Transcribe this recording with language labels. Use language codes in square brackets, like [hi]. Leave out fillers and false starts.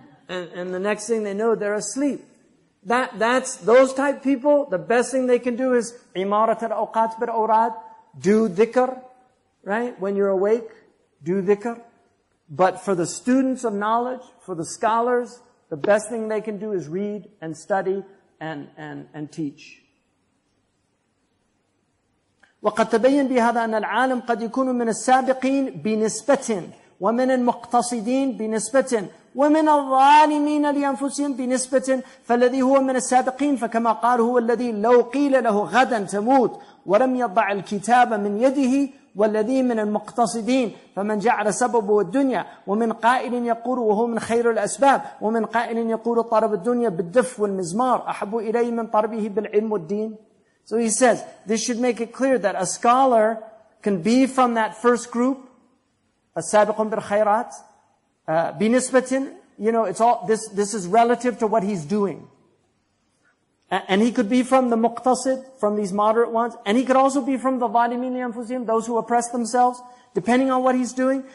[en] And the next thing they know, they're asleep. That's those type of people, the best thing they can do is [ar] imarat al-awqat bil-awrad, [en] do dhikr, right? When you're awake, do dhikr. But for the students of knowledge, for the scholars, the best thing they can do is read and study and teach. [ar] وقد تبين بهذا أن العالم قد يكون من السابقين بنسبة ومن المقتصدين بنسبة ومن الظالمين لأنفسهم بنسبة فالذي هو من السابقين فكما قال هو الذي لو قيل له غدا تموت ولم يضع الكتاب من يده والذي من المقتصدين فمن جعل سببه الدنيا ومن قائل يقول وهو من خير الأسباب ومن قائل يقول طرب الدنيا بالدف والمزمار أحب إليه من طربه بالعلم والدين. [en] So he says, this should make it clear that a scholar can be from that first group, [ar] as-sabiqun bil khayrat, [en] binisbatin, you know, it's all, this is relative to what he's doing. And he could be from the muqtasid, from these moderate ones, and he could also be from the [ar] zalimin li anfusihim, [en] those who oppress themselves, depending on what he's doing.